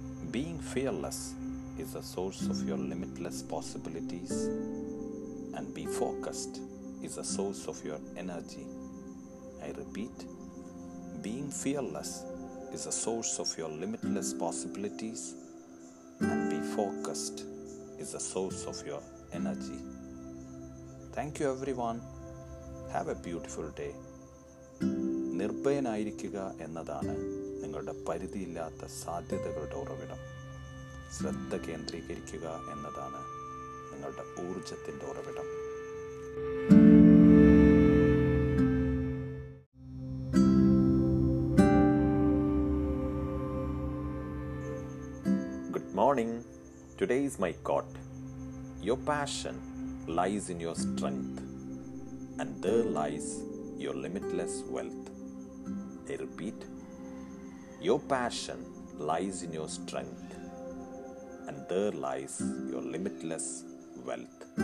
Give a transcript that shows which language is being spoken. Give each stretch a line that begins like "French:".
English: Being fearless is the source of your limitless possibilities, and be focused is the source of your energy. I repeat, being fearless is the source of your limitless possibilities, and be focused is the source of your energy. Thank you everyone. Have a beautiful day.
Malayalam: നിർഭയനായിരിക്കുക എന്നതാണ് നിങ്ങളുടെ പരിധിയില്ലാത്ത സാധ്യതകളുടെ ഉറവിടം. ശ്രദ്ധ കേന്ദ്രീകരിക്കുക എന്നതാണ് നിങ്ങളുടെ ഊർജത്തിൻ്റെ ഉറവിടം.
English: Good morning. Today is my God. Your passion lies in your strength and there lies your limitless wealth. I repeat, your passion lies in your strength, and there lies your limitless wealth.